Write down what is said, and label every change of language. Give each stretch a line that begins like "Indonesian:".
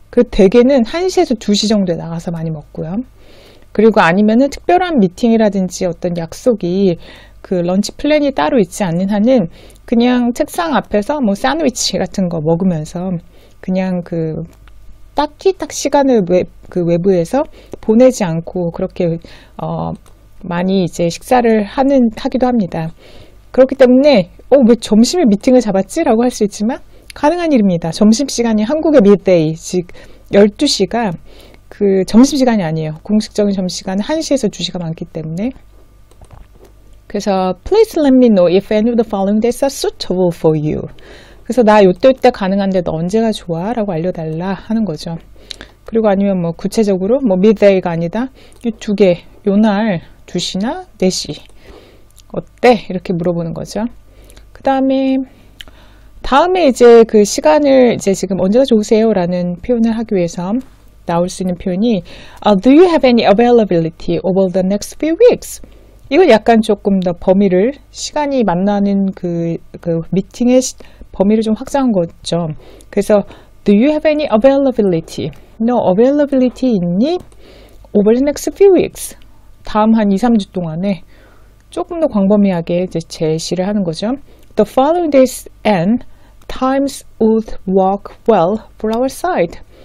Korean: 그 대개는 1시에서 2시 정도에 나가서 많이 먹고요. 그리고 아니면은 특별한 미팅이라든지 어떤 약속이 그 런치 플랜이 따로 있지 않는 한은 그냥 책상 앞에서 뭐 샌드위치 같은 거 먹으면서 그냥 그 딱히 딱 시간을 그 외부에서 보내지 않고 그렇게 많이 이제 식사를 하기도 합니다. 그렇기 때문에 왜 점심에 미팅을 잡았지라고 할수 있지만 가능한 일입니다. 점심시간이 한국의 미드데이 즉 12시가 그 점심시간이 아니에요. 공식적인 점심시간은 1시에서 2시가 많기 때문에. 그래서
English: please let me know if any of the following days are suitable for you.
Korean: 그래서 나 요때 가능한데 너 언제가 좋아? 라고 알려달라 하는 거죠. 그리고 아니면 뭐 구체적으로 뭐 미드데이가 아니다. 이두 개, 요날 2시나 4시 어때? 이렇게 물어보는 거죠. 그 다음에 다음에 이제 그 시간을 이제 지금 언제가 좋으세요? 라는 표현을 하기 위해서 나올 수 있는 표현이
English: Do you have any availability over the next few weeks?
Korean: 이건 약간 조금 더 범위를 시간이 만나는 그 미팅의 범위를 좀 확장한 거죠. 그래서
English: Do you have any availability? No availability
Korean: 있니?
English: Over the next few weeks.
Korean: 다음 한 2, 3주 동안에 조금 더 광범위하게 이제 제시를 하는 거죠.
English: The following days and times would work well for our side.